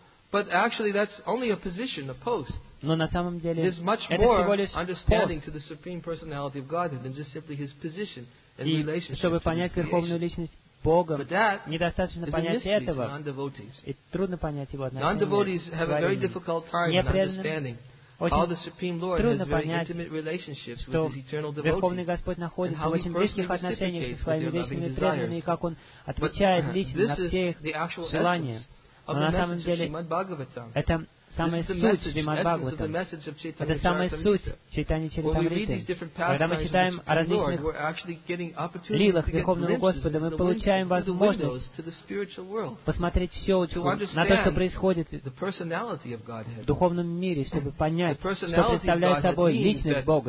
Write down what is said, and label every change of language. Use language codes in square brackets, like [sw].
[en] But actually, that's only a position, a post. [ru] Но на самом деле, [en] there's much more understanding to the supreme personality of God than just simply His position and relationship. [ru] И чтобы понять верховную личность Бога, недостаточно понять этого. И трудно понять его отношение. [en] Non-devotees have a very difficult time understanding how the supreme Lord has very intimate relationships with His eternal devotees. [ru] Верховный Господь находится в очень близких отношениях со своими вечными преданными, и как он отвечает лично на все их желания. Но на самом деле, это самая суть Шримад-Бхагаватам. Это самая суть Чайтанья Чаритамриты. Когда мы читаем о различных лилах Верховного Господа, мы получаем возможность посмотреть все на то, что происходит в духовном мире, чтобы понять, что представляет собой личность Бога.